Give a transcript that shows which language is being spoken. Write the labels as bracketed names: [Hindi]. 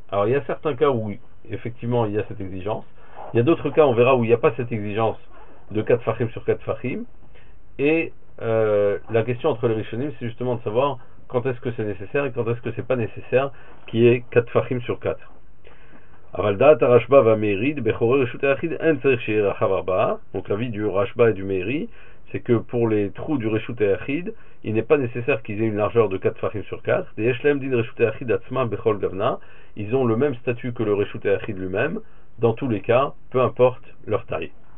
[French] Alors il y a certains cas où effectivement il y a cette exigence. Il y a d'autres cas, on verra, où il n'y a pas cette exigence de 4 Fahim sur 4 Fahim. Et la question entre les Rishonim, c'est justement de savoir quand est-ce que c'est nécessaire et quand est-ce que c'est pas nécessaire qu'il y ait 4 Fahim sur 4. [Hebrew] אבל דעת הרשב"א והמאירי בחורי רשות היחיד אין צריך שיהיה רחב ארבעה. [French] Donc l'avis du Rashba et du Meiri, c'est que pour les trous du Reshut Ayachid, il n'est pas nécessaire qu'ils aient une largeur de 4 fachim sur 4. [Hebrew] Des Yeshlem din Reshut Ayachid atzma bechol gavna, [French] ils ont le même statut que le Reshut Ayachid lui-même, dans tous les cas, peu importe leur taille.